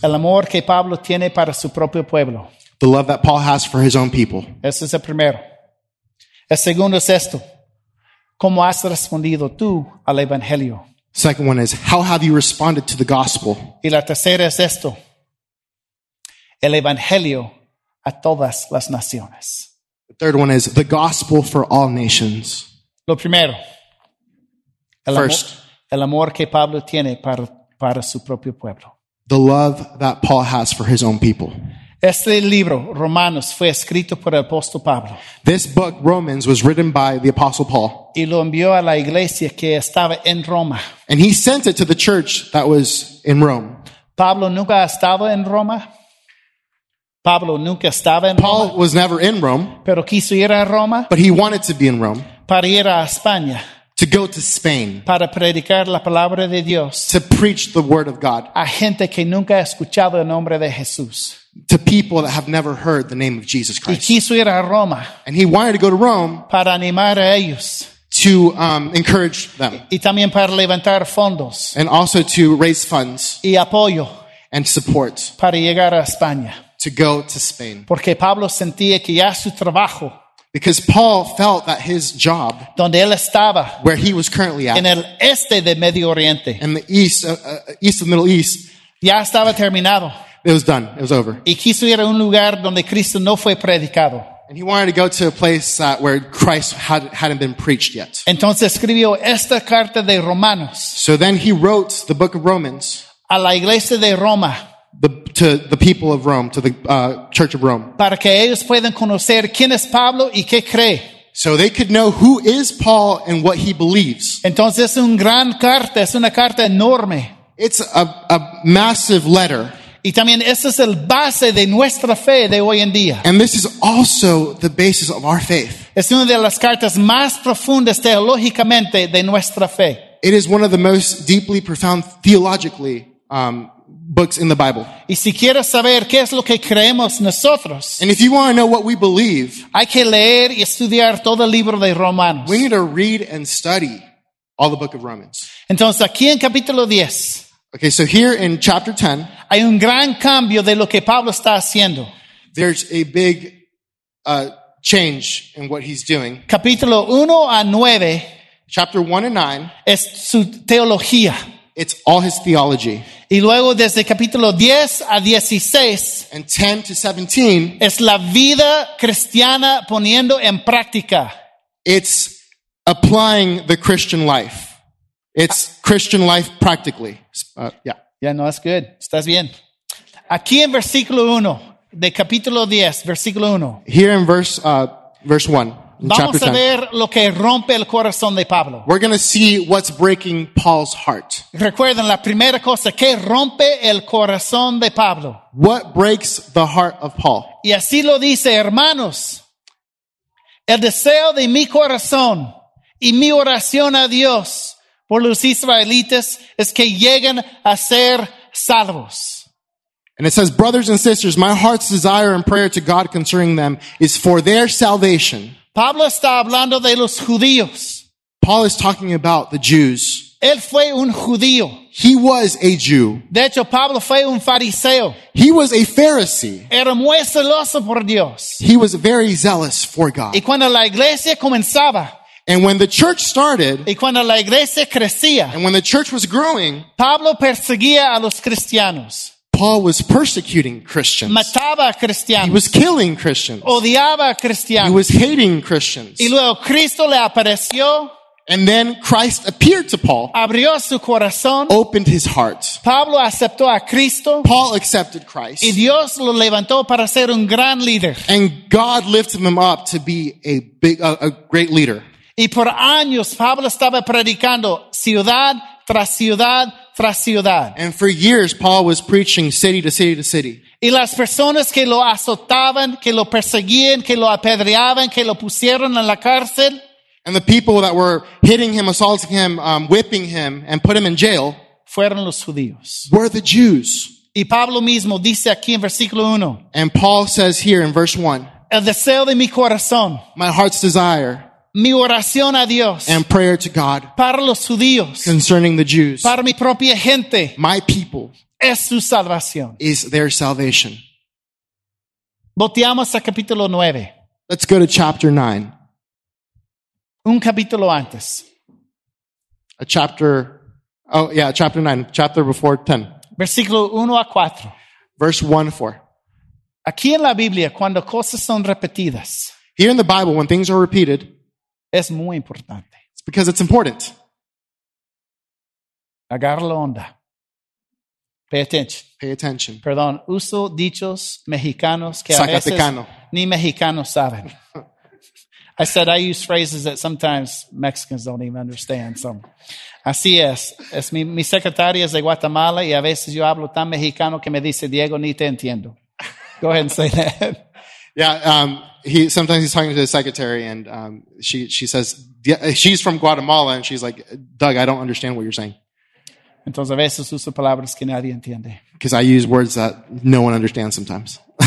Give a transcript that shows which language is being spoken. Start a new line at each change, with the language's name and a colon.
Spanish: El amor que Pablo tiene para su propio pueblo.
English: The love that Paul has for his own people.
Spanish: Ese es el primero. El segundo es esto. ¿Cómo has respondido tú al evangelio?
English: Second one is, how have you responded to the gospel?
Spanish: Y la tercera es esto. El evangelio a todas las naciones.
English: The third one is, the gospel for all nations.
Spanish: Lo primero.
English: El First.
Spanish: Amor, el amor que Pablo tiene para su propio pueblo.
English: The love that Paul has for his own people.
Spanish: Este libro, Romanos, fue escrito por el apóstol Pablo.
English: This book, Romans, was written by the apostle Paul.
Spanish: Y lo envió a la iglesia que estaba en Roma.
English: And he sent it to the church that was in Rome.
Spanish: Pablo nunca estaba en Roma. Pablo nunca estaba en
English: Paul Paul was never in Rome.
Spanish: Pero quiso ir a Roma.
English: But he wanted to be in Rome.
Spanish: Para ir a España.
English: To go to Spain.
Spanish: Para predicar la palabra de Dios.
English: To preach the word of God.
Spanish: A gente que nunca ha escuchado el nombre de Jesús.
English: To people that have never heard the name of Jesus Christ.
Spanish: Y quiso ir a Roma.
English: And he wanted to go to Rome.
Spanish: Para animar a ellos.
English: To encourage them.
Spanish: Y también para levantar fondos.
English: And also to raise funds.
Spanish: Y apoyo.
English: And support.
Spanish: Para llegar a España.
English: To go to Spain.
Spanish: Porque Pablo sentía que ya su trabajo.
English: Because Paul felt that his job,
Spanish: donde él estaba,
English: where he was currently at,
Spanish: en el este de Medio Oriente,
English: in the east, east of the Middle East,
Spanish: ya estaba terminado.
English: It was done. It was over.
Spanish: Y quiso ir a un lugar donde Cristo no fue predicado.
English: And he wanted to go to a place where Christ hadn't been preached yet.
Spanish: Entonces escribió esta carta de Romanos.
English: So then he wrote the book of Romans.
Spanish: A la iglesia de Roma.
English: To the people of Rome, to the church of Rome.
Spanish: Para que ellos puedan conocer quién es Pablo y qué cree.
English: So they could know who is Paul and what he believes.
Spanish: Entonces es una gran carta, es una carta enorme.
English: It's a massive letter.
Spanish: Y también esa es el base de nuestra fe de hoy en día.
English: And this is also the basis of our faith.
Spanish: Es una de las cartas más profundas teológicamente de nuestra fe.
English: It is one of the most deeply profound theologically books in the Bible.
Spanish: Y si quieres saber qué es lo que creemos nosotros,
English: and if you want to know what we believe,
Spanish: hay que leer y estudiar todo el libro de Romanos.
English: We need to read and study all the book of Romans.
Spanish: Entonces, aquí en capítulo 10,
English: okay, so here in chapter 10,
Spanish: hay un gran cambio de lo que Pablo está haciendo.
English: There's a big change in what he's doing.
Spanish: Capítulo 1 a 9,
English: chapter 1 and 9,
Spanish: es su teología.
English: It's all his theology.
Spanish: Y luego desde capítulo 10 a 16,
English: and 10 to 17,
Spanish: es la vida cristiana poniendo en práctica.
English: It's applying the Christian life. It's Christian life practically. Yeah. Yeah, no, that's good.
Spanish: Estás bien. Aquí en versículo 1 de capítulo 10, versículo 1.
English: Here in verse 1.
Spanish: Vamos a ver lo que rompe el corazón de Pablo.
English: We're going to see what's breaking Paul's heart.
Spanish: Recuerden la primera cosa que rompe el corazón de Pablo.
English: What breaks the heart of Paul?
Spanish: Y así lo dice, hermanos. El deseo de mi corazón y mi oración a Dios por los israelitas es que lleguen a ser salvos.
English: And it says, brothers and sisters, my heart's desire and prayer to God concerning them is for their salvation.
Spanish: Pablo está hablando de los judíos.
English: Paul is talking about the Jews.
Spanish: Él fue un judío.
English: He was a Jew.
Spanish: De hecho, Pablo fue un fariseo.
English: He was a Pharisee.
Spanish: Era muy celoso por Dios.
English: He was very zealous for God.
Spanish: Y cuando la iglesia comenzaba,
English: And when the church started,
Spanish: y cuando la iglesia crecía,
English: and when the church was growing,
Spanish: Pablo perseguía a los cristianos.
English: Paul was persecuting Christians.
Spanish: Mataba a cristianos.
English: He was killing Christians.
Spanish: Odiaba a cristianos.
English: He was hating Christians.
Spanish: Y luego Cristo le apareció.
English: And then Christ appeared to Paul.
Spanish: Abrió su corazón.
English: Opened his heart.
Spanish: Pablo aceptó a Cristo.
English: Paul accepted Christ.
Spanish: Y Dios lo levantó para ser un gran líder.
English: And God lifted him up to be a great leader.
Spanish: Y por años Pablo estaba predicando ciudad tras ciudad.
English: And for years, Paul was preaching city to city to city.
Spanish: Y las personas que lo azotaban, que lo perseguían, que lo apedreaban, que lo pusieron en la cárcel.
English: And the people that were hitting him, assaulting him, whipping him, and put him in jail.
Spanish: Fueron los judíos.
English: Were the Jews.
Spanish: Y Pablo mismo dice aquí en versículo 1.
English: And Paul says here in verse 1.
Spanish: El deseo de mi corazón.
English: My heart's desire.
Spanish: Mi oración a Dios,
English: and prayer to God,
Spanish: para los judíos,
English: concerning the Jews,
Spanish: para mi propia gente,
English: my people,
Spanish: es su salvación,
English: is their salvation.
Spanish: Volteamos a capítulo 9.
English: Let's go to chapter 9.
Spanish: Un capítulo antes.
English: A chapter, oh yeah, chapter 9, chapter before 10.
Spanish: Versículo 1 a 4.
English: Verse 1 to 4.
Spanish: Aquí en la Biblia, cuando cosas son repetidas,
English: here in the Bible, when things are repeated,
Spanish: es muy importante.
English: It's because it's important.
Spanish: Agarra la onda.
English: Pay attention. Pay attention.
Spanish: Perdón, uso dichos mexicanos que Zacatecano. A veces ni mexicanos saben.
English: I said I use phrases that sometimes Mexicans don't even understand.
Spanish: So, así es. Es mi secretaria es de Guatemala y a veces yo hablo tan mexicano que me dice, Diego, ni te entiendo.
English: Go ahead and say that. Yeah, sometimes he's talking to his secretary and she says, she's from Guatemala and she's like, Doug, I don't understand what you're saying.
Spanish: Entonces a veces uso palabras que nadie entiende.
English: Because I use words that no one understands sometimes.